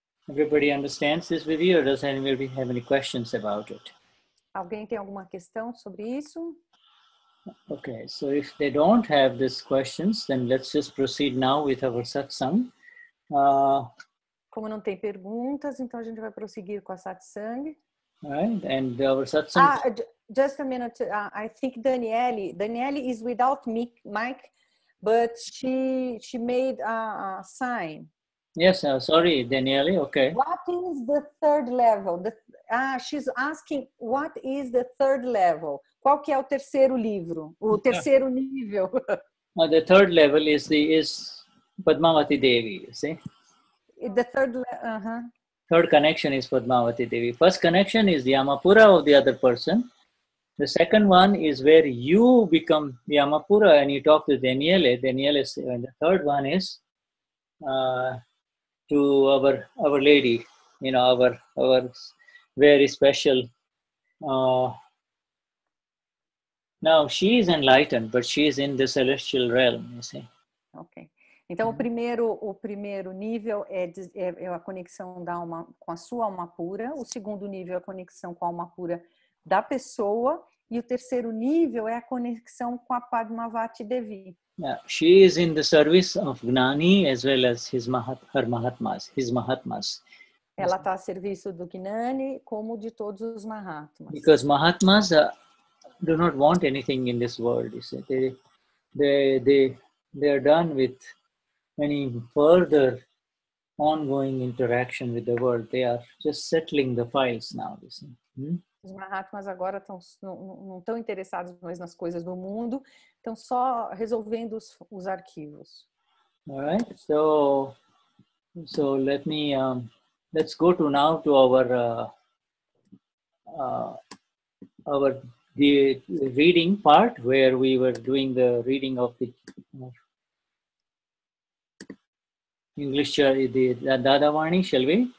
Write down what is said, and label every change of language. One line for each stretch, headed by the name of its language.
English: Everybody understands this vidhi or does anybody have any questions about it?
Portuguese: Alguém tem alguma questão sobre isso?
English: Okay, so if they don't have these questions, then let's just proceed now with our satsang.
Portuguese: Como não tem perguntas, então a gente vai prosseguir com a satsang.
English: Right, and our satsang. Just a minute. I think Daniele is without mic, but she made a sign. Yes, sorry, Daniele. Okay. What is the third level? The She's asking what is the third level?
Portuguese: Qual que é o terceiro livro? O terceiro nível?
English: Well, the third level is Padmavati Devi, you see? The third uh-huh. Third connection is Padmavati Devi. First connection is the Yamapura of the other person. The second one is where you become the Yamapura and you talk to Daniele. Daniele is, and the third one is to our lady, you know, our very special. Now she is enlightened, but she is in the celestial realm, you see. Okay.
Portuguese: Então o primeiro nível é a conexão da alma com a sua alma pura. O segundo nível é a conexão com a alma pura da pessoa. E o terceiro nível é a conexão com a Padmavati Devi.
English: Yeah, she is in the service of Gnani as well as his Mahatmas.
Portuguese: Ela está a serviço do Gnani como de todos os Mahatmas.
English: Because Mahatmas do not want anything in this world. You see. They are done with any further ongoing interaction with the world. They are just settling the files now. You see. Hmm?
Portuguese: Os Mahatmas agora não estão interessados mais nas coisas do mundo, estão só resolvendo os arquivos.
English: Alright, so let me let's go to now to our reading part where we were doing the reading of the English the Dadavani, shall we?